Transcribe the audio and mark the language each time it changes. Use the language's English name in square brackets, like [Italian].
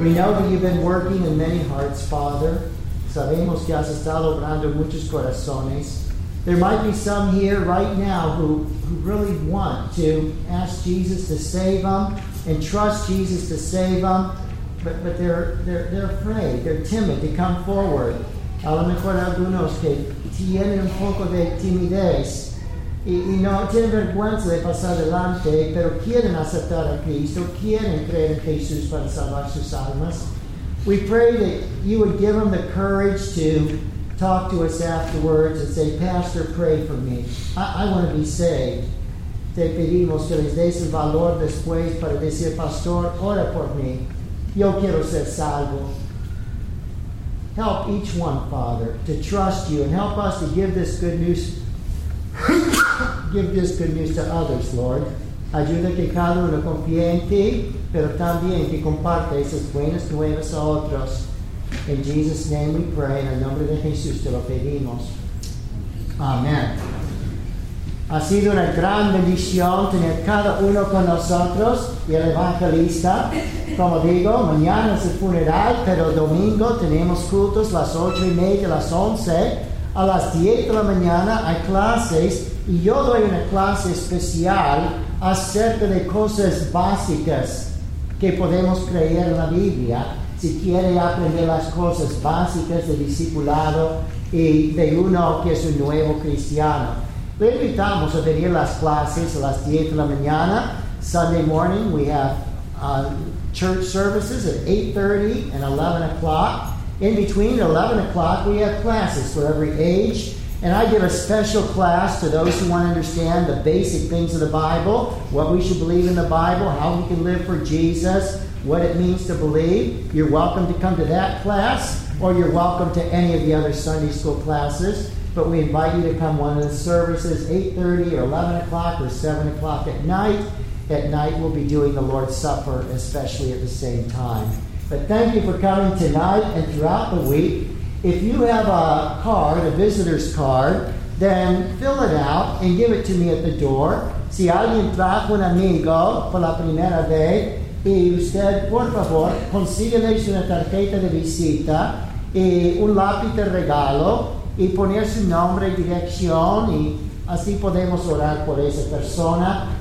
[English] We know that you've been working in many hearts, Father. [Spanish] Sabemos que has estado obrando muchos corazones. [English] There might be some here right now who really want to ask Jesus to save them and trust Jesus to save them, but they're afraid, they're timid to come forward. [Spanish] A lo mejor algunos que tienen un poco de timidez y no tienen vergüenza de pasar adelante, pero quieren aceptar a Cristo, quieren creer en Jesús para salvar sus almas. [English] We pray that you would give them the courage to talk to us afterwards and say, Pastor, pray for me. I want to be saved. [Spanish] Te pedimos que les des el valor después para decir, Pastor, ora por mí. Yo quiero ser salvo. [English] Help each one, Father, to trust you, and help us to give this good news. Give this good news to others, Lord. [Spanish] Ayuda que cada uno confíe en ti, pero también que comparte esas buenas nuevas a otros. [English] In Jesus' name we pray, [Spanish] en el nombre de Jesús te lo pedimos. Amén. Ha sido una gran bendición tener cada uno con nosotros y el evangelista. Como digo, mañana es el funeral, pero el domingo tenemos cultos 8:30, 11:00. A 10:00 a.m. hay clases y yo doy una clase especial acerca de cosas básicas que podemos creer en la Biblia. Si quiere aprender las cosas básicas de discipulado y de uno que es un nuevo cristiano, le invitamos a venir a las clases a 10:00 a.m. [English] Sunday morning we have church services at 8:30 and 11 o'clock. In between 11 o'clock we have classes for every age. And I give a special class to those who want to understand the basic things of the Bible, what we should believe in the Bible, how we can live for Jesus, what it means to believe. You're welcome to come to that class, or you're welcome to any of the other Sunday school classes. But we invite you to come one of the services, 8:30 or 11 o'clock or 7 o'clock at night. At night we'll be doing the Lord's Supper, especially at the same time. But thank you for coming tonight and throughout the week. If you have a card, a visitor's card, then fill it out and give it to me at the door. [Spanish] Si alguien trajo un amigo por la primera vez, y usted, por favor, consíguele una tarjeta de visita y un lápiz de regalo y poner su nombre y dirección y así podemos orar por esa persona.